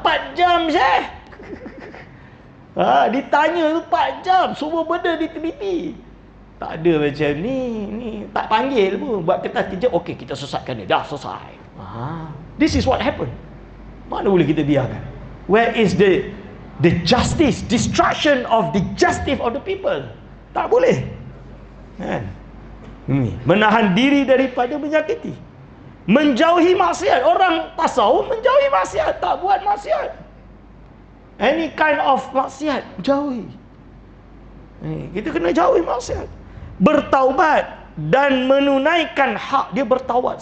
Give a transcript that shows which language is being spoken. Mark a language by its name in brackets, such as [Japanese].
[Malay] 4 jam, Syekh. Dia tanya tu 4 jam. Semua benda diteliti. Tak ada macam ni. Ni tak panggil pun. Buat kertas kejap. Okey, kita sesatkan dia. Dah selesai. [English] This is what happened. [Malay] Mana boleh kita biarkan? [English] Where is the justice, destruction of the justice of the people? [Malay] Tak boleh. Kan? Menahan diri daripada menyakiti. Menjauhi maksiat. Orang tasawuf menjauhi maksiat. Tak buat maksiat. [English] Any kind of [Malay] maksiat, jauhi. Kita kena jauhi maksiat. Bertaubat dan menunaikan hak. Dia bertaubat.